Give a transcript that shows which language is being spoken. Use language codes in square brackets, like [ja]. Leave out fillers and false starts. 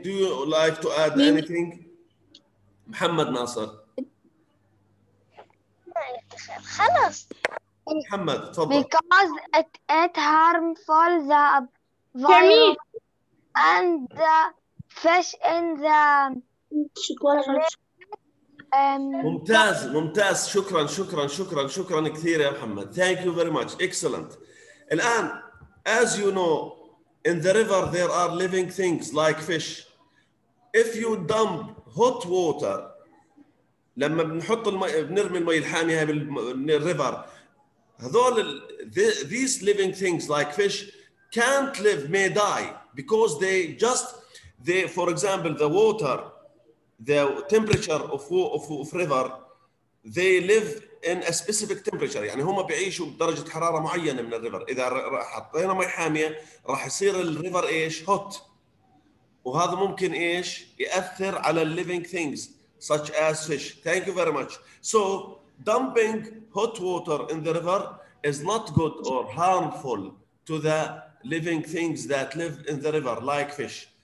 [en] Do you like to add anything? Muhammad Nasser. [ar] خلاص. [en] Muhammad, because it harmful the environment and the fish in the [ar] ممتاز ممتاز شكرا كثير يا محمد. [en] Thank you very much. Excellent. الآن, as you know, in the river there are living things like fish. If you dump hot water, [ar] لما بنحط المي بنرمي المي الحامية بالريفر, [en] هذول these living things like fish can't live, may die, because they for example the water, the temperature of river, they live in a specific temperature. [ar] يعني هما بيعيشوا بدرجة حرارة معينة من الريفر. إذا حطينا مي حامية راح يصير الريفر إيش hot, وهذا ممكن إيش يأثر على [en] living things such as fish. Thank you very much. So dumping hot water in the river is not good or harmful to the living things that live in the river like fish.